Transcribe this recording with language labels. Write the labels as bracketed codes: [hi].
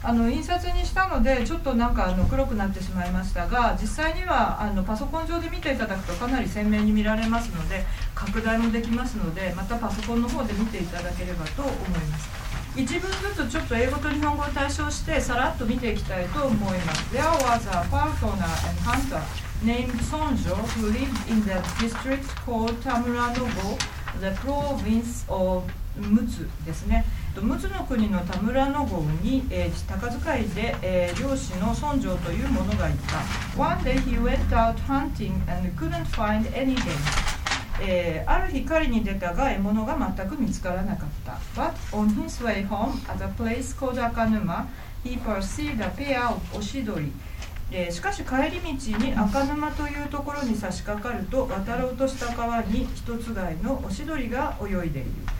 [ja] 印刷にしたのでちょっとなんか黒くなってしまいましたが、実際にはパソコン上で見ていただくとかなり鮮明に見られますので、拡大もできますので、またパソコンの方で見ていただければと思います。一文ずつちょっと英語と日本語を対照してさらっと見ていきたいと思います。 [en] There was a falconer and hunter named Sonjo who lived in the district called Tamuranobu, the province of Mutsu [ja] ですね。ムツの国のタムラノゴに、高遣いで、漁師の村長という者がいた。 [en] One day he went out hunting and couldn't find any game. [ja] ある日狩りに出たが獲物が全く見つからなかった。 [en] But on his way home at a place called Akanuma he perceived a pair of oshidori、 [ja] しかし帰り道に赤沼というところに差し掛かると、渡ろうとした川に一つがいのおしどりが泳いでいる。